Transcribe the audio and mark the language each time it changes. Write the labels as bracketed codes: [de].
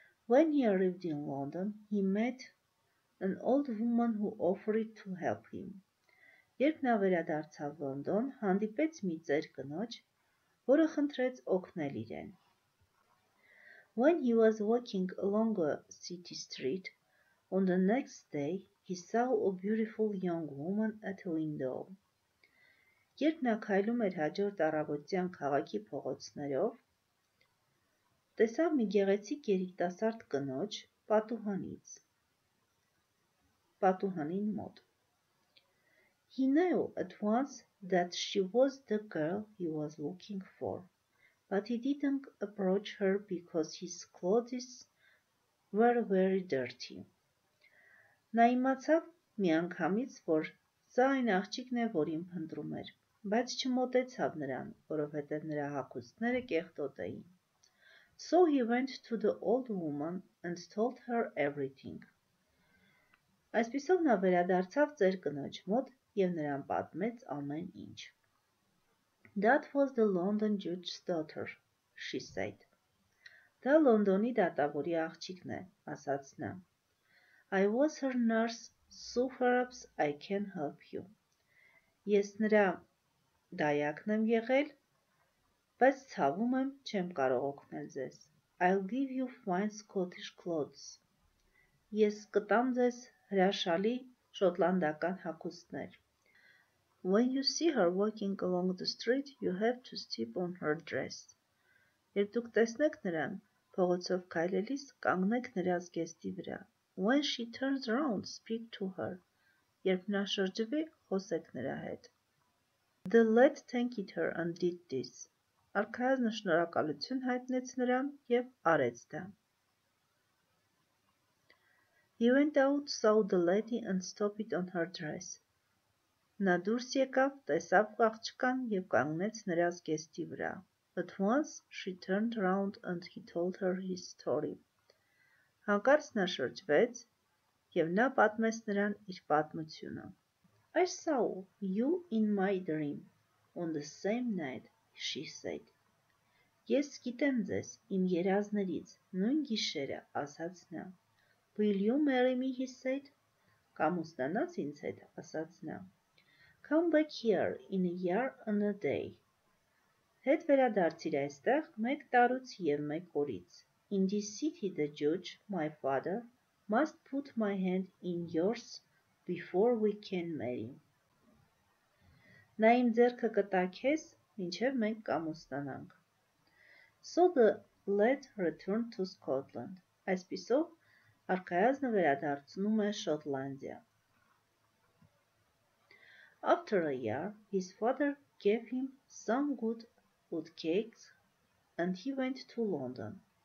[en] When he arrived in London, he met an old woman who offered to help him. [hy] Երբ նա վերադարձավ Լոնդոն, հանդիպեց մի ծեր կնոջ, որը խնդրեց օգնել իրեն. [en] When he was walking along a city street, on the next day he saw a beautiful young woman at a window. [hy] Երբ նա քայլում էր հաջորդ առավոտյան քաղաքի փողոցներով, տեսավ մի գեղեցիկ երիտասարդ կնոջ պատուհանին մոտ. [en] He knew at once that she was the girl he was looking for, but he didn't approach her because his clothes were very dirty. [hy] Նա իմացավ միանգամից, որ սա այն աղջիկն է, որին փնտրում էր, բայց չմոտեցավ նրան, որովհետև նրա հագուստները կեղտոտ էին. [en] So he went to the old woman and told her everything. [hy] Այսպիսով նա վերադարձավ ծեր կնոջ մոտ և նրան պատմեց ամեն ինչ. [en] That was the London judge's daughter, she said. [hy] Դա Լոնդոնի դատավորի աղջիկն է, ասաց նա. [en] I was her nurse, so perhaps I can help you. [hy] Ես նրա դայակն եմ եղել, բայց ցավում եմ, չեմ կարող օգնել ձեզ. [en] I'll give you fine Scottish clothes. [hy] Ես կտամ ձեզ հրաշալի շոտլանդական հագուստներ. [en] When you see her walking along the street, you have to step on her dress. [hy] Երբ դուք տեսնեք նրան փողոցով քայլելիս, կանգնեք նրա զգեստի վրա. [en] When she turns around, speak to her. [hy] Երբ նա շրջվի, խոսեք նրա հետ. [en] The lad thanked her and did this. [hy] Արքայազն շնորհակալություն հայտնեց նրան և արեց դա. [en] He went out, saw the lady and stopped it on her dress. [hy] Նա դուրս եկավ, տեսավ աղջկան և կանգնեց նրա զգեստի վրա. [en] At once she turned round and he told her his story. [hy] Հանկարծ նա շրջվեց և նա պատմեց նրան իր պատմությունը. [en] I saw you in my dream on the same night, she said. [hy] Ես գիտեմ ձեզ իմ երազներից նույն գիշերը, ասաց նա. [en] Will you marry me, he said. [hy] Կամուսնանաս ինձ հետ, ասաց նա. [en] Come back here in a year and a day. [hy] Հետ վերադարձիր այստեղ մեկ տարուց և մեկ օրից. [en] In this city the judge, my father, must put my hand in yours before we can marry. [hy] Նա իմ ձեռքը կտա քեզ, մինչև մենք կամուսնանանք. [en] So the lad returned to Scotland. [hy] Այսպիսով արքայազնը վերադարձնում է Շոտլանդիա. [en] After a year, his father gave him some good wood cakes and he went to London.